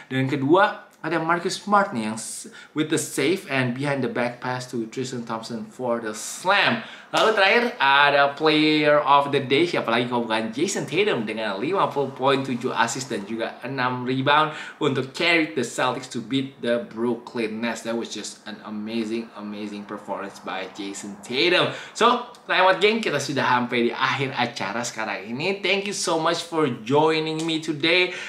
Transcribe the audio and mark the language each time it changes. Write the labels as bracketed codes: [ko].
[id] Dan kedua ada Marcus Smart nih yang [en] with the save and behind the back pass to Tristan Thompson for the slam. [id] Lalu terakhir ada [en] player of the day, [id] siapa lagi kalau bukan Jason Tatum dengan 50.7 assist dan juga 6 rebound untuk [en] carry the Celtics to beat the Brooklyn Nets. That was just an amazing performance by Jason Tatum. [id] So, Timeout Gang, kita sudah sampai di akhir acara sekarang ini. [en] Thank you so much for joining me today.